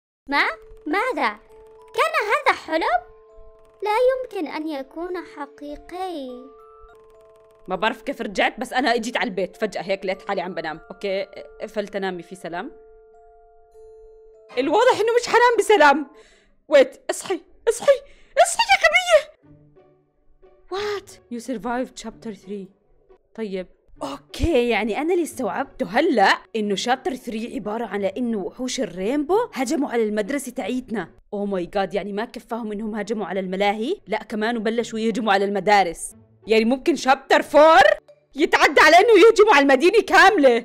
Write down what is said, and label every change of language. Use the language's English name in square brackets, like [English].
[Arabic] ما؟ ماذا؟ كان هذا حلم؟ لا يمكن أن يكون حقيقي. ما بعرف كيف رجعت، بس أنا اجيت على البيت فجأة هيك لقيت حالي عم بنام. أوكي قفلت نامي في سلام. الواضح إنه مش حنام بسلام. ويت اصحي اصحي اصحي يا غبية. [English] What you survived chapter 3. [Arabic] طيب أوكي يعني أنا اللي استوعبته هلأ إنه شابتر 3 عبارة على إنه وحوش الرينبو هجموا على المدرسة تعيتنا. [English] oh my God, [Arabic] يعني ما كفاهم إنهم هجموا على الملاهي، لا كمان وبلشوا يهجموا على المدارس. يعني ممكن شابتر 4 يتعدى على إنه يهجموا على المدينة كاملة.